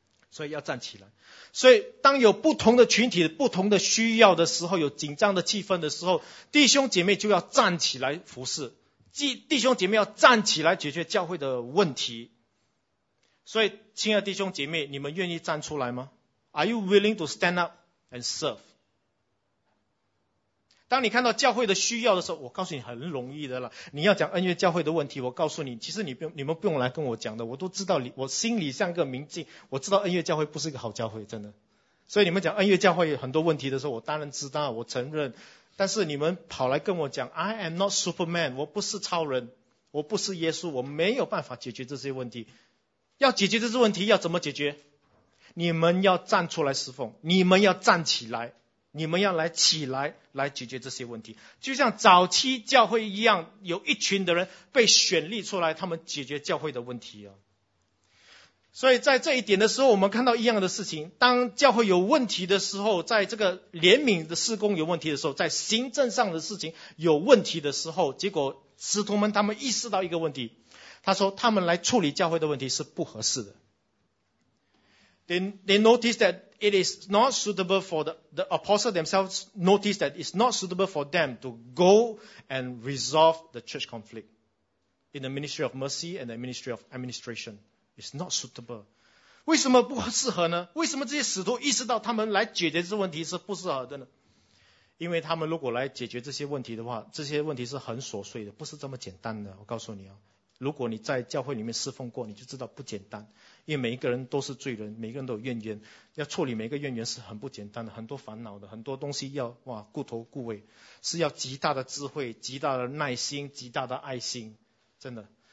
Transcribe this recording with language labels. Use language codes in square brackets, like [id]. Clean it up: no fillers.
[zh] 所以要站起来，所以当有不同的群体不同的需要的时候，有紧张的气氛的时候，弟兄姐妹就要站起来服事，弟兄姐妹要站起来解决教会的问题。所以亲爱的弟兄姐妹，你们愿意站出来吗？ [en] Are you willing to stand up and serve? [zh] 当你看到教会的需要的时候，我告诉你很容易的了，你要讲恩怨教会的问题，我告诉你，其实你们不用来跟我讲的，我都知道，我心里像个明镜，我知道恩怨教会不是一个好教会，真的。所以你们讲恩怨教会有很多问题的时候，我当然知道，我承认，但是你们跑来跟我讲 [en] I am not Superman, [zh] 我不是超人，我不是耶稣，我没有办法解决这些问题。要解决这些问题要怎么解决？你们要站出来侍奉，你们要站起来，你们要来起来来解决这些问题。就像早期教会一样，有一群的人被选立出来，他们解决教会的问题。所以在这一点的时候，我们看到一样的事情，当教会有问题的时候，在这个怜悯的事工有问题的时候，在行政上的事情有问题的时候，结果使徒们他们意识到一个问题，他说他们来处理教会的问题是不合适的。 [en] They notice thatIt is not suitable for the apostles themselves notice that it's not suitable for them to go and resolve the church conflict in the ministry of mercy and the ministry of administration. It's not suitable. [zh] 为什么不适合呢？为什么这些使徒意识到他们来解决这问题是不适合的呢？因为他们如果来解决这些问题的话，这些问题是很琐碎的，不是这么简单的。我告诉你如果你在教会里面侍奉过，你就知道不简单。因为每一个人都是罪人，每个人都有怨言，要处理每个怨言是很不简单的，很多烦恼的，很多东西要哇顾头顾尾，是要极大的智慧、极大的耐心、极大的爱心，真的。